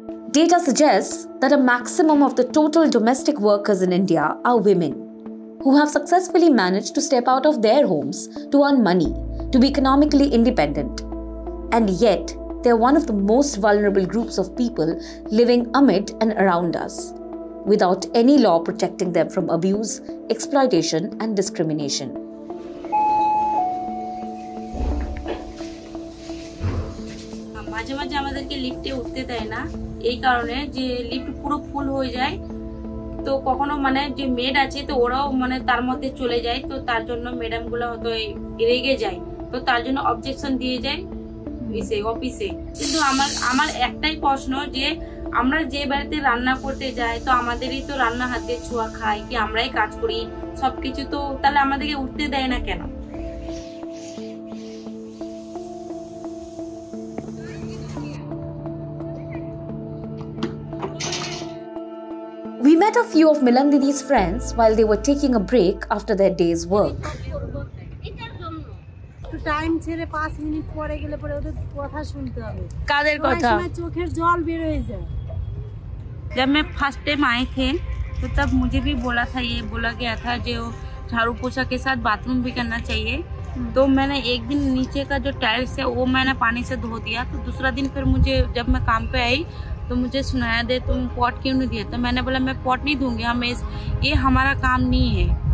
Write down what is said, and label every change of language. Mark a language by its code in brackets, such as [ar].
[en] Data suggests that a maximum of the total domestic workers in India are women who have successfully managed to step out of their homes to earn money, to be economically independent. And yet, they are one of the most vulnerable groups of people living amid and around us, without any law protecting them from abuse, exploitation and discrimination. [bn] মাঝে মাঝে আমাদেরকে লিফটে উঠতে দেয় না, এই কারণে যে লিফট পুরো ফুল হয়ে যায়, তো কখনো মানে যে মেড আছে তো ওরাও মানে তার মধ্যে চলে যায়, তো তার জন্য ম্যাডাম গুলো হয়তো রেগে যায়, তো তার জন্য অবজেকশন দিয়ে যায় ইসে অফিসে। কিন্তু আমার আমার একটাই প্রশ্ন যে আমরা যে বাড়িতে রান্না করতে যাই তো আমাদেরই তো রান্না হাতে ছোঁয়া খাই, কি আমরাই কাজ করি সবকিছু, তো তাহলে আমাদেরকে উঠতে দেয় না কেন? [en] We met a few of Milan Didi's friends while they were taking a break after their day's work. [bn] Time ছেড়ে 5 মিনিট পরে গেলে পরে ওদের কথা শুনতে হবে। কাদের কথা? আমার চোখের জল বের হয়ে যায়। [hi] जब मैं फर्स्ट टाइम आए थे तो तब मुझे भी बोला था, ये बोला गया था जो झाड़ू पोछा के साथ बाथरूम भी करना चाहिए, तो मैंने एक दिन नीचे का जो टाइल्स है वो मैंने पानी से धो दिया, तो दूसरा दिन फिर मुझे जब मैं काम पे आई तो मुझे सुनाया दे तुम पॉट क्यों नहीं दिया था, मैंने बोला मैं पॉट नहीं दूंगी, हम इस ये हमारा काम नहीं है।